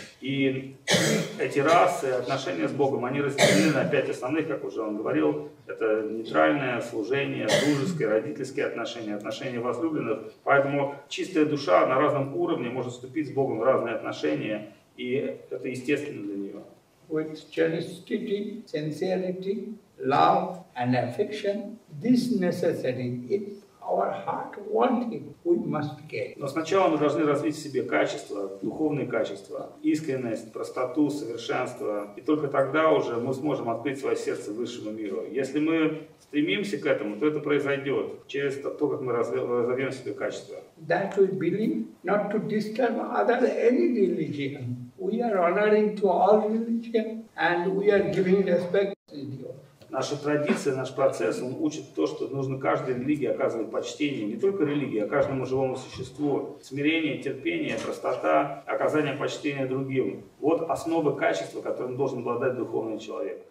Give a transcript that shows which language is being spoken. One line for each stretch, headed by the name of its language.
Russian: И эти расы, отношения с Богом, они разделены на пять основных, как уже он говорил. Это нейтральное служение, дружеское, родительские отношения, отношения возлюбленных. Поэтому чистая душа на разном уровне может вступить с Богом в разные отношения, и это естественно для нее.
English: With chastity, sincerity, love and affection, this necessary. If our heart wants it, we must get.
Russian: Но сначала мы должны развить в себе качества, духовные качества, искренность, простоту, совершенство, и только тогда уже мы сможем открыть свое сердце высшему миру. Если мы стремимся к этому, то это произойдет через то, как мы разовьем в себе качества.
English: That we believe not to disturb other any religion. We are honoring to all religion, and we are giving respect to you.
Russian: наша традиция, наш процесс, он учит то, что нужно каждой религии оказывать почтение, не только религии, а каждому живому существу. Смирение, терпение, простота, оказание почтения другим. Вот основы качества, которым должен обладать духовный человек.